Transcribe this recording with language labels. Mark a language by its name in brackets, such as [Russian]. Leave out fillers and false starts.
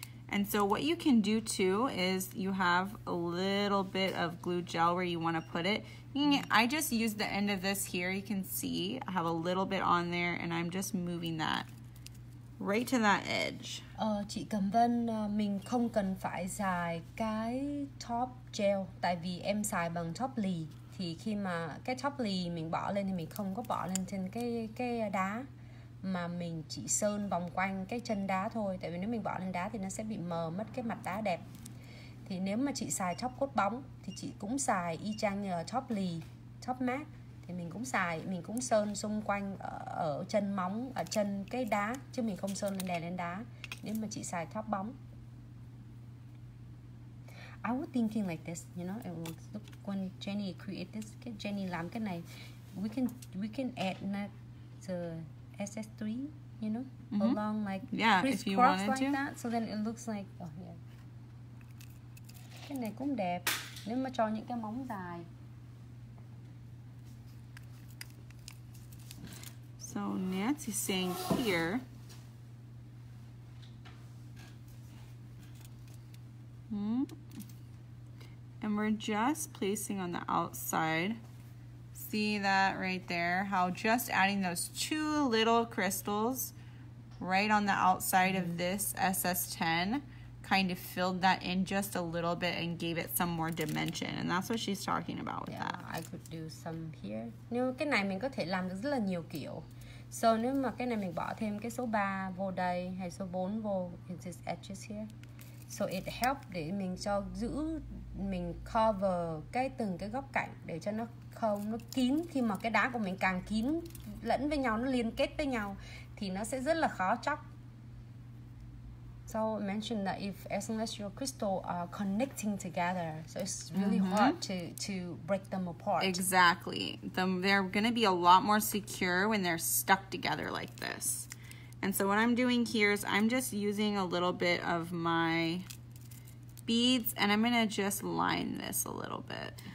[English] And so what you can do too is you have a little bit of glue gel where you want to put it. I just used the end of this here. You can see I have a little bit on there and I'm just moving that right to that edge. [Vietnamese] Chị Cẩm Vân, mình không cần phải xài cái top gel, tại vì em xài bằng top lì. Thì khi mà cái top lì mình bỏ lên thì mình không có bỏ lên trên cái đá, mà mình chỉ sơn vòng quanh cái chân đá thôi. Tại vì nếu mình bỏ lên đá thì nó sẽ bị mờ mất cái mặt đá đẹp. Thì nếu mà chị xài top cốt bóng thì chị cũng xài y chang như top lì, top matte. Thì mình cũng xài, mình cũng sơn xung quanh ở chân móng, ở chân cái đá, chứ mình không sơn lên đá. Nếu mà chị xài top bóng. [English] I was thinking like this, you know, it was when Jenny created this, [Vietnamese] Jenny làm cái này, [English] we can add that to SS3, you know, mm-hmm. along like yeah, crisscross like to. That, so then it looks like, oh yeah. [Vietnamese] Cái này cũng đẹp, nếu mà cho những cái móng dài. [English] So Nancy's saying here, and we're just placing on the outside. See that right there? How just adding those two little crystals right on the outside of this SS10 kind of filled that in just a little bit and gave it some more dimension. And that's what she's talking about with that. I could do some here. [Vietnamese] Nếu cái này mình có thể làm được rất là nhiều kiểu. So nếu mà cái này mình bỏ thêm cái số 3 vô đây hay số 4 vô [English] in these edges here. So it helped [Vietnamese] để mình cho giữ, mình cover cái từng cái góc cạnh để cho nó không, nó kín. Khi mà cái đá của mình càng kín lẫn với nhau, nó liên kết với nhau thì nó sẽ rất là khó chóc. [English] So mention that if as long as your crystal are connecting together, so it's really mm-hmm. hard to break them apart. Exactly. They're going to be a lot more secure when they're stuck together like this. And so what I'm doing here is I'm just using a little bit of my beads, and I'm going to just line this a little bit.